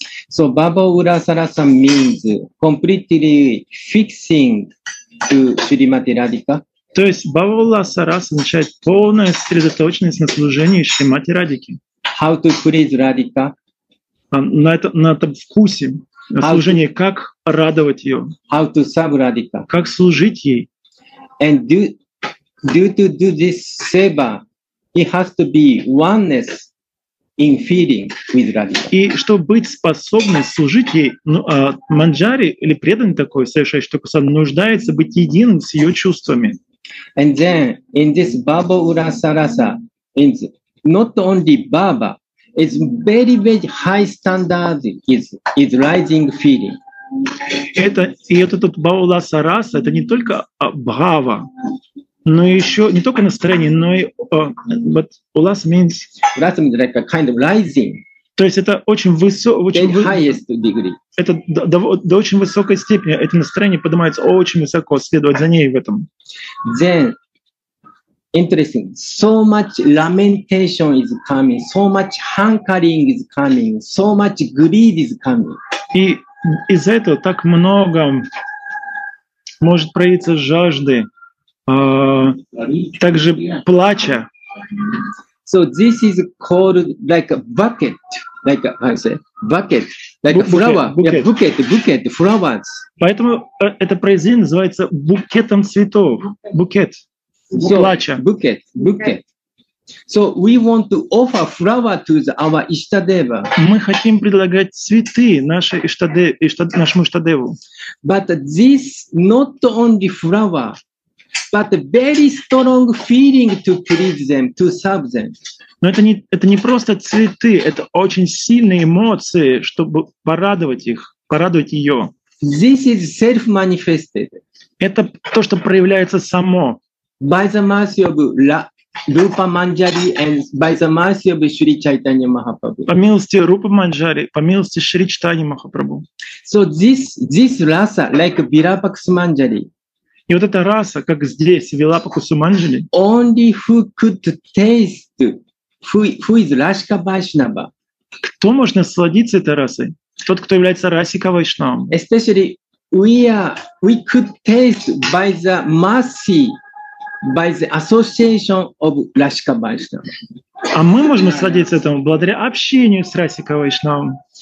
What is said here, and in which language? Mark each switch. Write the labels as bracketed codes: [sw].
[en] So Bhava Urasa Rasa means completely fixing to Shrimati Radhika. [ru] То есть Bhava Urasa Rasa означает полная сосредоточенность на служении Шримати Радике. [en] How to please Radhika? [ru] На этом вкусе, на служении, как радовать ее. [en] How to serve Radhika? [ru] Как служить ей. [en] And do this seva, he has to be oneness in feeling with Radhika. [ru] И чтобы быть способным служить ей, манджари или преданный такой, совершающий такой сад, нуждается быть единым с ее чувствами. [en] And then in this Bhava Urasa Rasa, it's not only Bhava, it's very very high standard is rising feeling. [ru] Этот Bhava Urasa Rasa, это не только Bhava. Но еще не только настроение, но и [en] but ulas means. Ulas means like a kind of rising. [ru] То есть это очень [en] highest degree. [ru] Это до очень высокой степени. Это настроение поднимается очень высоко, следовать за ней в этом. [en] Then interesting. So much lamentation is coming, so much hankering is coming, so much greed is coming. [ru] И из этого так много может проявиться жажды, также плача. [en] So this is called like a bucket, like a, how you say, bucket, like a flower, bucket, flowers. [ru] Поэтому это произведение называется букетом цветов, букет, плача. Букет. [en] So we want to offer flower to our Ishtadeva. [ru] Мы хотим предлагать цветы нашему Ishtadeva. [en] But this not only flower, but very strong feeling to please them, to serve them. [ru] Но это не просто цветы, это очень сильные эмоции, чтобы порадовать их, порадовать ее. [en] This is self-manifested. [ru] Это то, что проявляется само. [en] By the mercy of Rupa Manjari and by the mercy of Sri Chaitanya Mahaprabhu. [ru] По милости Рупа Манджари, по милости Шри Чайтанья Махапрабху. [en] So this rasa like Virapaksha Manjari. [ru] И вот эта раса, как здесь Вилапакуса Манджари. [en] Only who could taste who is Rashika Vaishnava. [ru] Кто может насладиться этой расой? Тот, кто является Расика Вайшнавом. [en] Especially we could taste by the mercy. By the association of Rashika Vaishnava. [ru] А мы можем насладиться этому благодаря общению с Расика Вайшнавом.